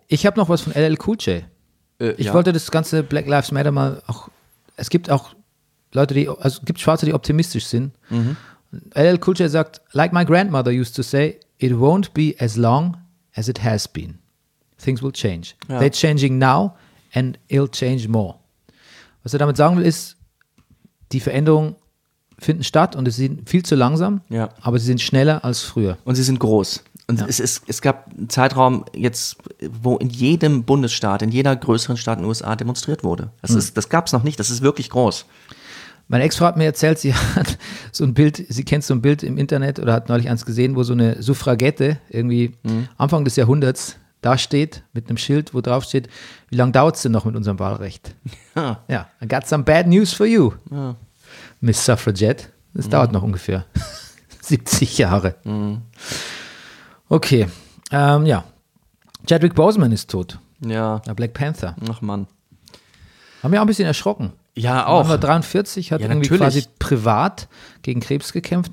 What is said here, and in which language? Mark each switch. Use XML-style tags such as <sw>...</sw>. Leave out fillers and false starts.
<de>Ich habe noch was von LL Cool J. Wollte das ganze Black Lives Matter mal auch, es gibt auch Leute, gibt Schwarze, die optimistisch sind. Mhm. LL Cool J sagt,</de> <en>like my grandmother used to say, it won't be as long as it has been. things will change.</en> <de>Ja.</de> <en>They're changing now and it'll change more.</en> <de>Was er damit sagen will, ist, die Veränderungen finden statt und es sind viel zu langsam, ja, aber sie sind schneller als früher. Und sie sind groß. Und ja, es gab einen Zeitraum jetzt, wo in jedem Bundesstaat, in jeder größeren Stadt in den USA demonstriert wurde. Das, das gab es noch nicht, das ist wirklich groß. Meine Ex-Frau hat mir erzählt, sie hat so ein Bild, sie kennt so ein Bild im Internet oder hat neulich eins gesehen, wo so eine Suffragette irgendwie Anfang des Jahrhunderts da steht mit einem Schild, wo drauf steht, wie lange dauert es denn noch mit unserem Wahlrecht? Ja, ja,</de> <en>I got some bad news for you, ja, Miss Suffragette.</en> <de>Es dauert noch ungefähr 70 Jahre. Mhm. Okay, ja, Chadwick Boseman ist tot. Ja. Der Black Panther. Ach Mann. Hat mich auch ein bisschen erschrocken. Ja, auch. 43, hat ja, irgendwie natürlich quasi privat gegen Krebs gekämpft.</de>